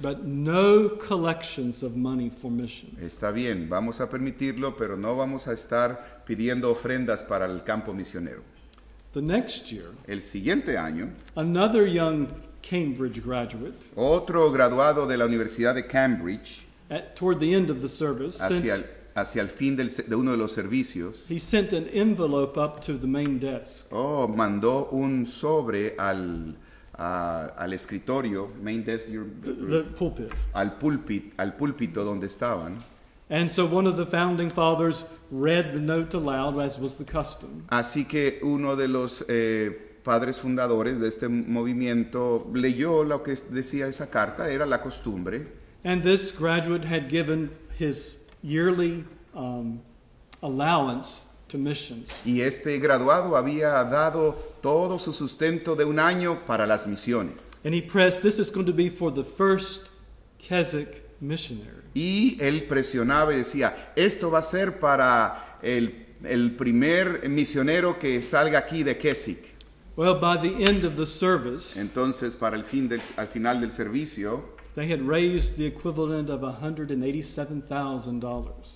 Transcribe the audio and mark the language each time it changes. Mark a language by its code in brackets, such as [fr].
[en] But no collections of money for missions. [es] Está bien, vamos a permitirlo, pero no vamos a estar pidiendo ofrendas para el campo misionero. [en] The next year, [es] el siguiente año, [en] another young Cambridge graduate, [es] otro graduado de la Universidad de Cambridge, [en] toward the end of the service, [es] hacia el fin de uno de los servicios. [en] He sent an envelope up to the main desk. [es] Oh, mandó un sobre al escritorio, [en] main desk, [es] al púlpito donde estaban. [en] And so one of the founding fathers read the note aloud, as was the custom. [es] Así que uno de los padres fundadores de este movimiento leyó lo que decía esa carta, era la costumbre. [en] And this graduate had given his yearly allowance to missions. [es] Y este graduado había dado todo su sustento de un año para las misiones. [en] And he pressed, this is going to be for the first Keswick missionary. [es] Y él presionaba y decía, esto va a ser para el primer misionero que salga aquí de Keswick. [en] Well, by the end of the service, [es] entonces para el fin del al final del servicio, [en] they had raised the equivalent of $187,000.